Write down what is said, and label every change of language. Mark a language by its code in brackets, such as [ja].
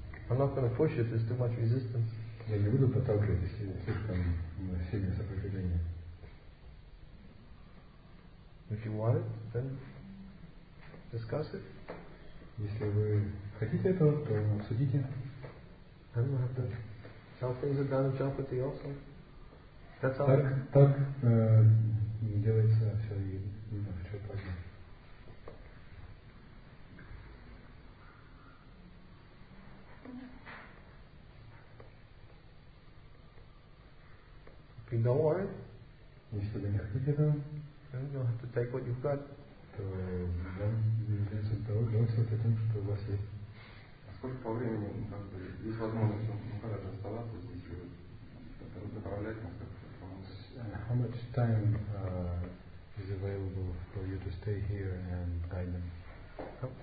[en] I'm not going to push if there's too much resistance. [ru] Я не буду подталкивать, если слишком сильное сопротивление. [en] If you want it, then discuss it. [ru] Если вы хотите этого, то обсудите. [en] I don't have to. Some things are done in Chalpati also. That's all. [ru] Так делается все и в Чалпати. [en] If you don't want it, [ru] если вы не хотите этого, [en] you'll have to take what you've got. [ru] То вам придется довольствоваться тем, что у вас есть. А сколько по времени есть возможность Махараджа оставаться здесь, чтобы направлять нас как-то помочь? [en] How much time is available for you to stay here and guide them?